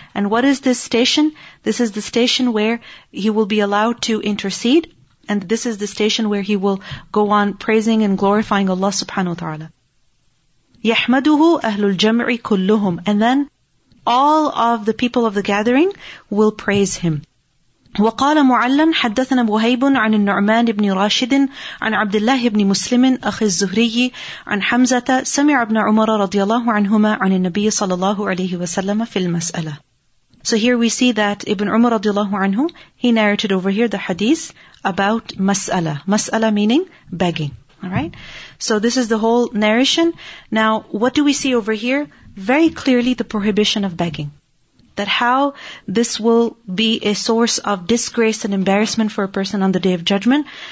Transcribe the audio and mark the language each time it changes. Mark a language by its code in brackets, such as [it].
[en] And what is this station? This is the station where he will be allowed to intercede. And this is the station where he will go on praising and glorifying Allah subhanahu wa ta'ala. [ar] يَحْمَدُهُ أَهْلُ الْجَمْعِ كُلُّهُمْ. [en] And then all of the people of the gathering will praise him. [ar] وقال معلن حدثنا وهيب عن النعمان بن راشد عن عبد الله بن مسلم أخي الزهري عن حمزة سمع ابن عمر رضي الله عنهما عن النبي صلى الله عليه وسلم في المسألة. [en] So here we see that Ibn Umar [ar] رضي الله عنه, [en] he narrated over here the hadith about مسألة. مسألة meaning begging. Alright? So this is the whole narration. Now, what do we see over here? Very clearly the prohibition of begging. That how this will be a source of disgrace and embarrassment for a person on the Day of Judgment.